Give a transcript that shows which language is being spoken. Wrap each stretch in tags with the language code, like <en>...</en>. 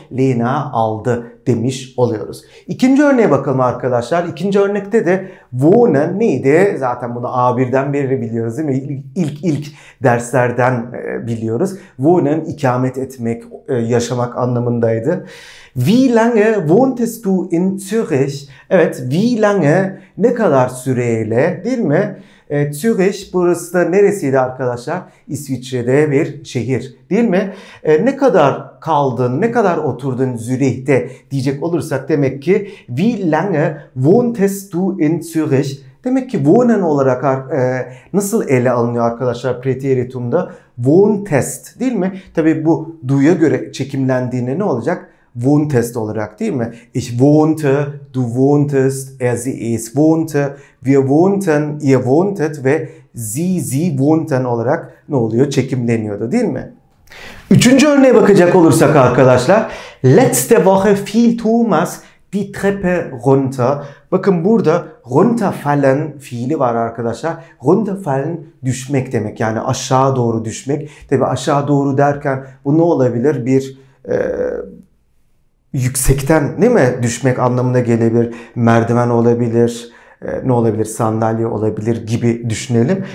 <tr>Lena aldı demiş oluyoruz. İkinci örneğe bakalım arkadaşlar. İkinci örnekte de wohnen neydi? Zaten bunu A1'den beri biliyoruz, değil mi? İlk derslerden biliyoruz. Wohnen ikamet etmek, yaşamak anlamındaydı.</tr> <de>Wie lange wohntest du in Zürich?</de> <tr>Evet,</tr> <de>wie lange,</de> <tr>ne kadar süreyle, değil mi? Zürich, burası da neresiydi arkadaşlar? İsviçre'de bir şehir, değil mi? Ne kadar kaldın, ne kadar oturdun Zürich'te diyecek olursak, demek ki</tr> <de>wie lange wohntest du in Zürich?</de> <tr>Demek ki wohnen olarak nasıl ele alınıyor arkadaşlar preteritumda? Wohntest, değil mi? Tabii bu duya göre çekimlendiğinde ne olacak? Wohntest olarak, değil mi?</tr> <de>Ich wohnte, du wohntest, er, sie, es wohnte, wir wohnten, ihr wohntet</de> <tr>ve</tr> <de>sie wohnten</de> <tr>olarak ne oluyor? Çekimleniyordu, değil mi? Üçüncü örneğe bakacak olursak arkadaşlar.</tr> <de>Letzte Woche fiel Thomas die Treppe runter.</de> <tr>Bakın burada runterfallen fiili var arkadaşlar. Runterfallen düşmek demek. Yani aşağı doğru düşmek. Tabii aşağı doğru derken bu ne olabilir? Bir yüksekten, değil mi, düşmek anlamına gelebilir. Merdiven olabilir, ne olabilir, sandalye olabilir gibi düşünelim.</tr>